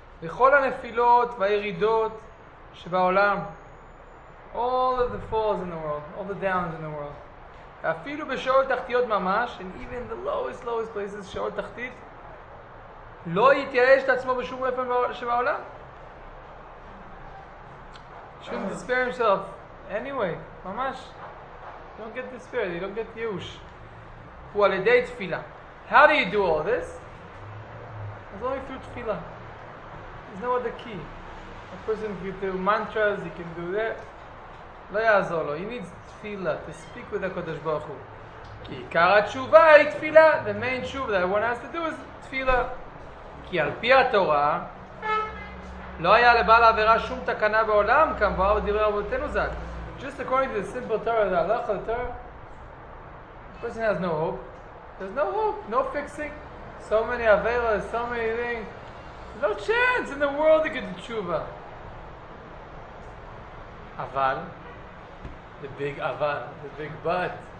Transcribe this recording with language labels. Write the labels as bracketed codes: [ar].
[he] בכל הנפילות והירידות שבעולם [en] all of the falls in the world all the downs in the world [he] אפילו בשעות תחתיות ממש [en] and even the lowest lowest places [he] שעות תחתית לא יתייאש את עצמו בשום אופן שבעולם [en] shouldn't despair himself anyway ממש don't get despair you don't get [he] יאוש הוא על ידי תפילה [en] how do you do all this? it's only through תפילה There's no other key. A person can do mantras, he can do that. [he] לא יעזור לו. [en] He needs tefillah to speak with HaKadosh Baruch Hu. [he] כי עיקר התשובה היא תפילה. [en] The main tshuva that everyone has to do is tefillah. [he] כי על פי התורה, לא היה לבעל העבירה שום תקנה בעולם, כמובן בדברי רבותינו זאת. [en] Just according to the simple Torah, the halacha, the Torah, the person has no hope. There's no hope, no fixing. So many avirah, so many things. No chance in the world to get the tshuva. Aval, the big aval, the big but.